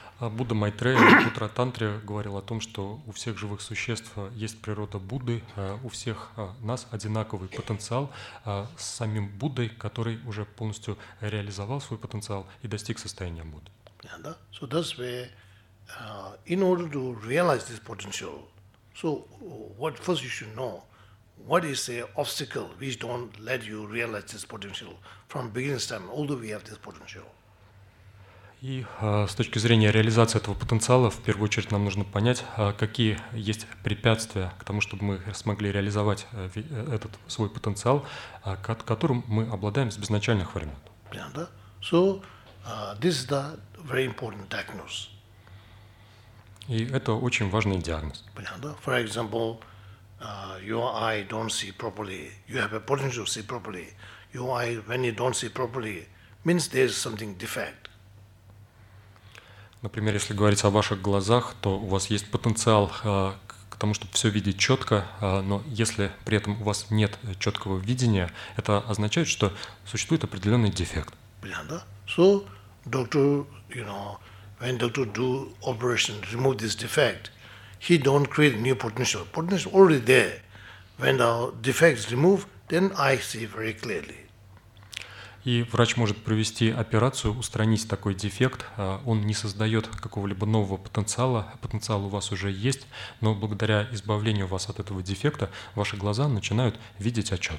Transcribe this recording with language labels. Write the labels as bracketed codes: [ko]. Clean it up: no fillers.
[ru] Будда Майтрея в Утра Тантре говорил о том, что у всех живых существ есть природа Будды, у всех нас одинаковый потенциал с самим Буддой, который уже полностью реализовал свой потенциал и достиг состояния Будды. Yeah, да? [en] So that's where, in order to realize this potential, so what first you should know, what is the obstacle which don't let you realize this potential from beginning time, although we have this potential. [ru] И с точки зрения реализации этого потенциала, в первую очередь нам нужно понять, какие есть препятствия к тому, чтобы мы смогли реализовать этот свой потенциал, которым мы обладаем с безначальных времен. [en] Yeah, да? So, this is the very important diagnosis. [ru] И это очень важный диагноз. [en] Yeah, да? For example, your eye don't see properly. You have a potential to see properly. Your eye, when you don't see properly, means there's something defect. [ru] Например, если говорить о ваших глазах, то у вас есть потенциал к тому, чтобы все видеть четко, но если при этом у вас нет четкого видения, это означает, что существует определенный дефект. Понятно? [en] So, doctor, you know, when doctor do operation to remove this defect, he don't create new potential. Potential already there. When the defect is removed, then I see very clearly. [ru] И врач может провести операцию, устранить такой дефект. Он не создает какого-либо нового потенциала. Потенциал у вас уже есть, но благодаря избавлению вас от этого дефекта ваши глаза начинают видеть